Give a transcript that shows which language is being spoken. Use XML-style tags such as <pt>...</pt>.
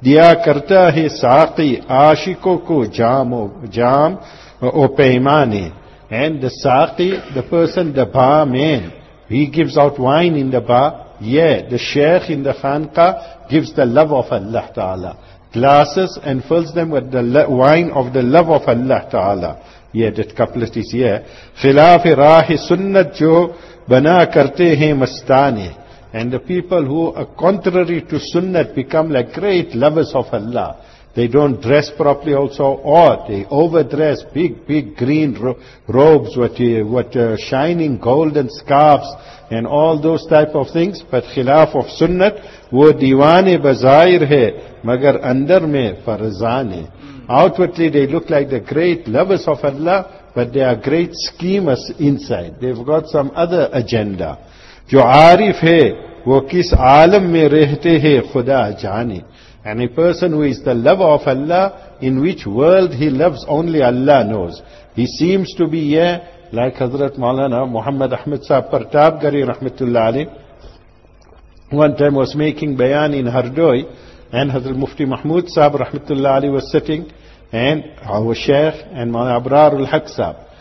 <ur>Diya karta hai saqi aashiko ko jam o peymane.</ur> <en>And the saqi, the person, the bar man, he gives out wine in the bar. Yeah, the sheikh in the khanqa gives the love of Allah Ta'ala. Glasses and fills them with the wine of the love of Allah Ta'ala. Yeah, that couplet is here.</en> <ur>خلاف راہ سنت جو بنا کرتے ہیں مستانے.</ur> <en>And the people who are contrary to sunnat become like great lovers of Allah. They don't dress properly also, or they overdress, big green robes with shining golden scarves and all those type of things. But</en> <ur>خلاف</ur> <en>of sunnat,</en> <ur>وہ دیوانے بظاہر ہے مگر اندر میں فرزانے.</ur> <en>Outwardly they look like the great lovers of Allah, but they are great schemers inside. They've got some other agenda.</en> <ur>جو عارف ہے وہ کس عالم میں رہتے ہیں خدا جانے.</ur> <en>And a person who is the lover of Allah, in which world he loves, only Allah knows. He seems to be here, like Hazrat Maulana Muhammad Ahmed Sahib Pratapgari Rahmatullah Ali, one time was making bayan in Hardoi, and Hazrat Mufti Mahmood Sahib Rahmatullah Ali was sitting, and our Shaykh and Maulana Abrarul Haq Sahib.</en>